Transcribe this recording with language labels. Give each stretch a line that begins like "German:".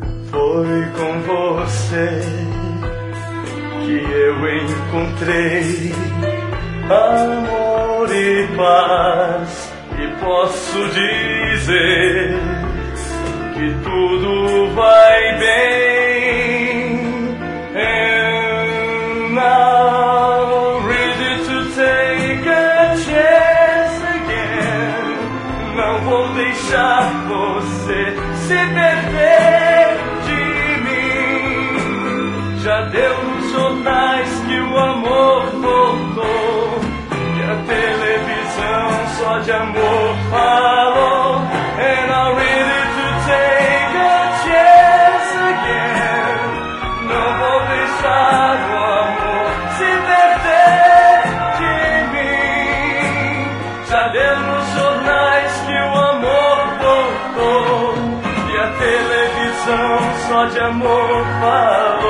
Portuguese: Foi com você que eu encontrei amor e paz, e posso dizer que tudo vai bem.
English: And now ready to take a chance again.
Portuguese: Não vou deixar você se perder de mim. Já deu nos jornais que o amor voltou, televisão só de amor falou.
English: And I'm ready to take a chance again.
Portuguese: Não vou deixar o amor se perder de mim. Já deu nos jornais que o amor voltou, e a televisão só de amor falou.